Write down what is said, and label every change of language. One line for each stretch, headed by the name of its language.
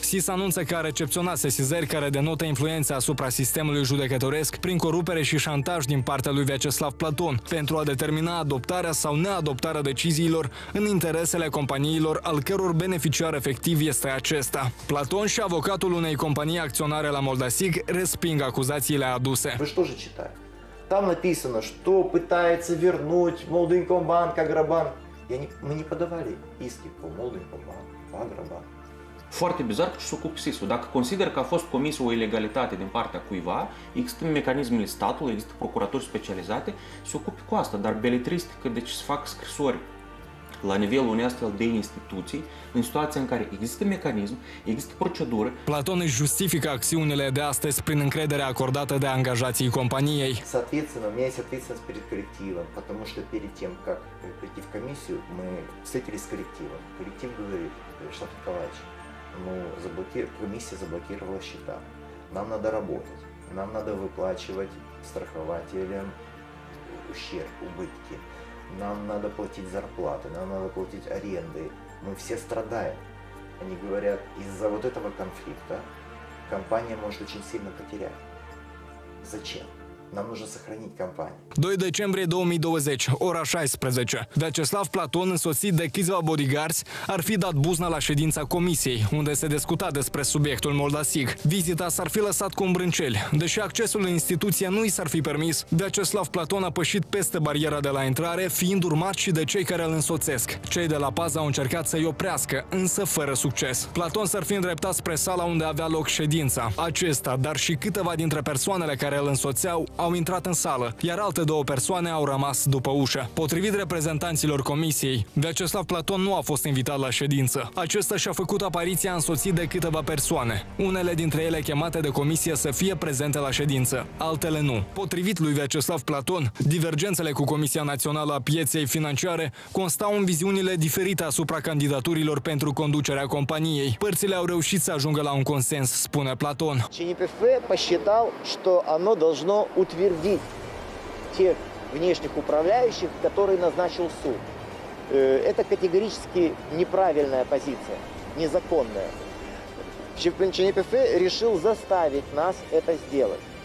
Romanian: SIS anunță că a recepționat sesizări care denotă influența asupra sistemului judecătoresc prin corupere și șantaj din partea lui Veaceslav Platon, pentru a determina adoptarea sau neadoptarea deciziilor în interesele companiilor al căror beneficiar efectiv este acesta. Platon și avocatul unei companii acționare la Moldasig resping acuzațiile aduse.
Russian: Там написано, что пытается вернуть Молдинкомбанк, Агробанк. Мы не подавали иски по Молдинкомбанку, Агробанку.
Romanian: Foarte bizar că ce s-o ocupă SIS-ul. Dacă consideră că a fost comisă o ilegalitate din partea cuiva, există mecanismele statului, există procuratori specializate, se ocupe cu asta. Dar beletristică, deci se fac scrisori la nivelul unei astfel de instituții, în situația în care există mecanism, există procedură. Platon își justifică acțiunile de astăzi prin încrederea acordată de angajații companiei.
Russian: Соответственно, у меня есть ответственность перед коллективом, потому что перед тем, как прийти в комиссию, мы встретились с коллективом. Коллектив говорит, Штат Николаевич, ну, комиссия заблокировала счета. Нам надо работать, нам надо выплачивать страхователям ущерб, убытки. Нам надо платить зарплаты, нам надо платить аренды. Мы все страдаем. Они говорят, из-за вот этого конфликта компания может очень сильно потерять. Зачем? Нам нужно сохранить компанию.
Romanian: 2
Russian: декабря
Romanian: 2020, ora 16. Veaceslav Platon, însoțit de câțiva bodyguards, ar fi dat buzna la ședința comisiei, unde se discuta despre subiectul Moldasig. Vizita s-ar fi lăsat cu îmbrânceli. Deși accesul în instituție nu i s-ar fi permis, Veaceslav Platon a pășit peste bariera de la intrare, fiind urmat și de cei care îl însoțesc. Cei de la pază au încercat să-i oprească, însă fără succes. Platon s-ar fi îndreptat spre sala unde avea loc ședința. Acesta, dar și câteva dintre persoanele care îl însoțeau, au intrat în sală, iar alte două persoane au rămas după ușă. Potrivit reprezentanților comisiei, Veaceslav Platon nu a fost invitat la ședință. Acesta și-a făcut apariția însoțit de câteva persoane, unele dintre ele chemate de comisie să fie prezente la ședință, altele nu. Potrivit lui Veaceslav Platon, divergențele cu Comisia Națională a Pieței Financiare constau în viziunile diferite asupra candidaturilor pentru conducerea companiei. Părțile au reușit să ajungă la un consens, spune Platon. CNPF a considerat că
Russian: ono должно утвердить тех внешних управляющих, которые назначил суд. Это категорически неправильная позиция, незаконная. ЧНПФ решил заставить нас это сделать.